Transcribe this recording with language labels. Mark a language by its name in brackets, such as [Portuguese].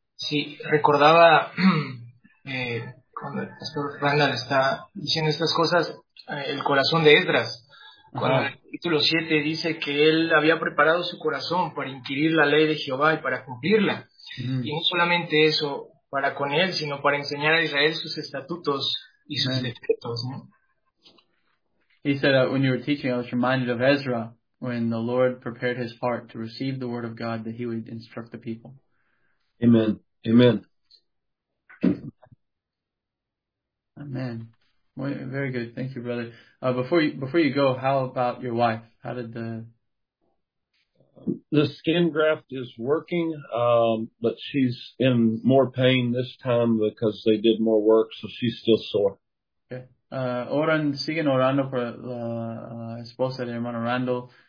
[Spanish] Sí, recordaba cuando el pastor Randall está diciendo estas cosas, el corazón de Esdras. Cuando en el capítulo 7 dice que él había preparado su corazón para inquirir la ley de Jehová y para cumplirla. Mm. Y no solamente eso para con él, sino para enseñar a Israel sus estatutos y sus decretos, ¿no? [English] He said that when you were teaching, I was reminded of Ezra, when the Lord prepared his heart to receive the word of God, that he would instruct the people. Amen. Amen. Amen. Very good. Thank you, brother. Before you go, how about your wife? How did the... The skin graft is working, but she's in more pain this time because they did more work, so she's still sore. [Spanish] Oran, siguen orando por la esposa de hermano Randall.